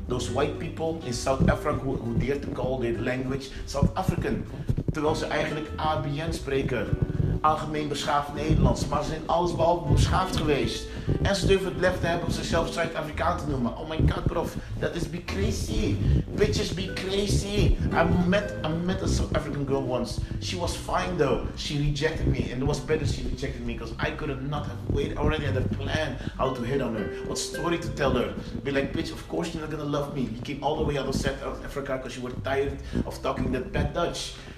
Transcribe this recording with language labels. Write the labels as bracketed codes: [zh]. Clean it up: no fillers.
[en] Those white people in South Africa who dare to call their language South African. [nl] Terwijl ze eigenlijk ABN spreken. Algemeen beschaafd Nederlands, maar ze zijn allesbehalve beschaafd geweest. En ze durven het lef te hebben om zichzelf Zuid-Afrikaan te noemen. [en] Oh my god, prof, that is be crazy. Bitches be crazy. I met a South African girl once. She was fine though. She rejected me, and it was better she rejected me because I could not have waited. I already had a plan how to hit on her, what story to tell her. Be like, bitch, of course you're not gonna love me. You came all the way out of South Africa because you were tired of talking that bad Dutch.